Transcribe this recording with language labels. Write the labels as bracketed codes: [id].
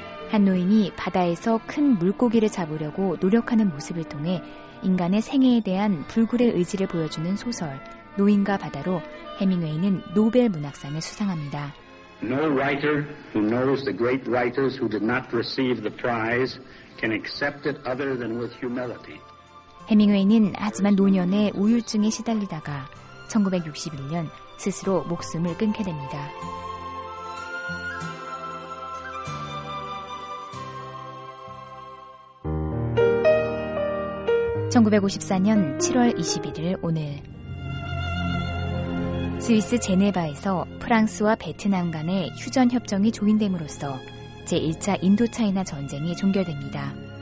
[ko] 한 노인이 바다에서 큰 물고기를 잡으려고 노력하는 모습을 통해 인간의 생애에 대한 불굴의 의지를 보여주는 소설 노인과 바다로 헤밍웨이는 노벨 문학상을 수상합니다. [en] No writer who knows the great writers who did not receive the prize can accept it other than with humility. [ko] 헤밍웨이는 하지만 노년에 우울증에 시달리다가 1961년 스스로 목숨을 끊게 됩니다. 1954년 7월 21일 오늘, 스위스 제네바에서 프랑스와 베트남 간의 휴전협정이 조인됨으로써 제1차 인도차이나 전쟁이 종결됩니다.